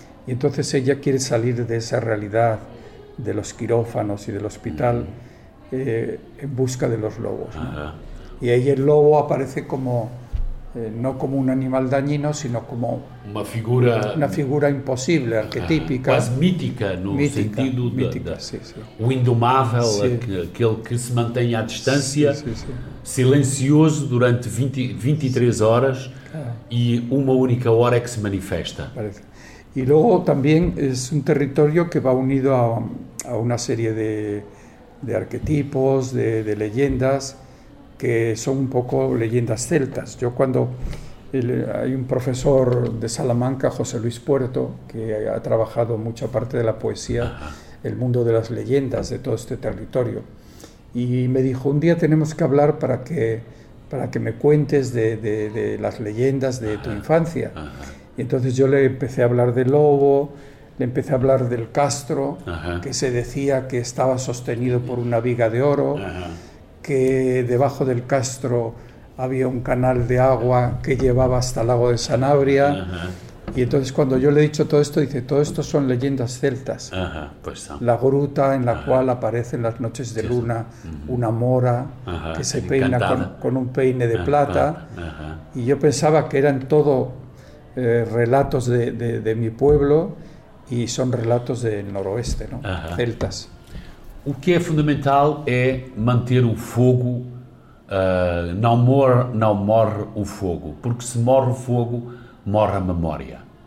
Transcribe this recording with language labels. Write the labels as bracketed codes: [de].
[es] Y entonces ella quiere salir de esa realidad, de los quirófanos y del hospital, en busca de los lobos, ¿no? Y ahí el lobo aparece como, no como un animal dañino, sino como una figura imposible, arquetípica, [pt] quase mítica, sentido mítica, o indomável, aquele que se mantém à distância, silencioso durante 23 horas, e uma única hora é que se manifesta. E logo também é um território que vai unido a uma série de arquetipos, de legendas, [es] que son un poco leyendas celtas. Yo cuando hay un profesor de Salamanca, José Luis Puerto, que ha trabajado mucha parte de la poesía, el mundo de las leyendas de todo este territorio, y me dijo, un día tenemos que hablar para que me cuentes de las leyendas de tu infancia. Y entonces yo le empecé a hablar del lobo, le empecé a hablar del castro, que se decía que estaba sostenido por una viga de oro, que debajo del castro había un canal de agua que llevaba hasta el lago de Sanabria. Y entonces cuando yo le he dicho todo esto, dice, todo esto son leyendas celtas. Pues son. La gruta en la cual aparece en las noches de luna una mora que se peina con un peine de plata. Y yo pensaba que eran todo relatos de mi pueblo, y son relatos del noroeste, ¿no? Celtas. [pt] O que é fundamental é manter o fogo, não morre o fogo, porque se morre o fogo, morre a memória.